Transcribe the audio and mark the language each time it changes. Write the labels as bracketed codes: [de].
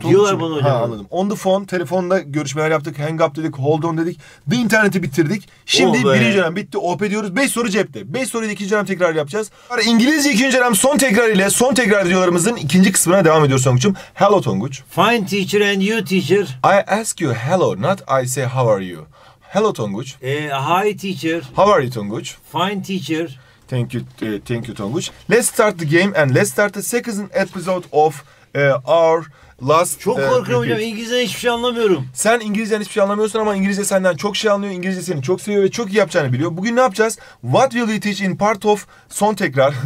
[tr] Diyorlar bana hocam. Ha, anladım. [en] On the phone. [tr] Telefonda görüşmeler yaptık. Hang up dedik. Hold on dedik. The interneti bitirdik. Şimdi birinci dönem bitti. OP diyoruz. Beş soru cepte. Beş soruyu da ikinci dönem tekrar yapacağız. İngilizce ikinci dönem son tekrar ile son tekrar videolarımızın ikinci kısmına devam ediyoruz Tonguç'um. [en] Hello Tonguç. Fine teacher and you teacher. I ask you hello, not I say how are you. Hello Tonguç. Hi teacher. How are you Tonguç? Fine teacher. Thank you Tonguç. Let's start the game and let's start the second episode of our... Last, [tr] çok korkuyorum hocam. İngilizce'den hiçbir şey anlamıyorum. Sen İngilizce'den hiçbir şey anlamıyorsun ama İngilizce senden çok şey anlıyor. İngilizce seni çok seviyor ve çok iyi yapacağını biliyor. Bugün ne yapacağız? [en] What will you teach in part of [tr] son tekrar?